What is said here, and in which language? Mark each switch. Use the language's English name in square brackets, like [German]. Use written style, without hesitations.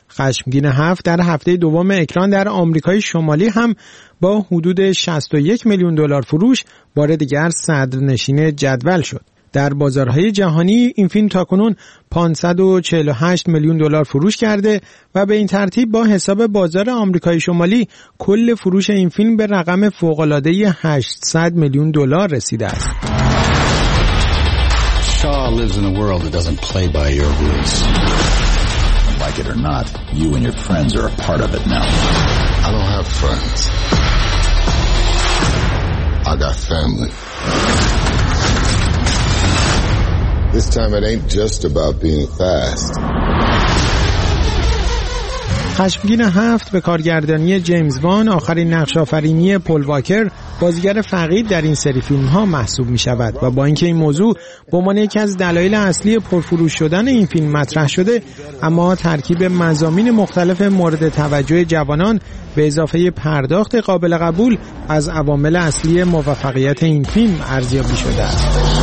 [Persian] خشمگین 7 در هفته دوم اکران در آمریکای شمالی هم با حدود 61 میلیون دلار فروش بار دیگر صدرنشین جدول شد. در بازارهای جهانی این فیلم تاکنون 548 میلیون دلار فروش کرده و به این ترتیب با حساب بازار آمریکای شمالی کل فروش این فیلم به رقم فوق‌العاده 800 میلیون دلار رسیده است. [English] Shaw lives in a world that doesn't play by your rules. Like it or not, you and your friends are a part of it now. I don't have friends. I got family. This time it ain't just about being fast. [Persian] خشمگین 7 به کارگردانی جیمز وان، آخرین نقش آفرینی پل واکر، بازیگر فقید در این سری فیلم ها محسوب می شود و با اینکه این موضوع به عنوان یکی از دلایل اصلی پرفروش شدن این فیلم مطرح شده، اما ترکیب مضامین مختلف مورد توجه جوانان به اضافه پرداخت قابل قبول از عوامل اصلی موفقیت این فیلم ارزیابی شده است.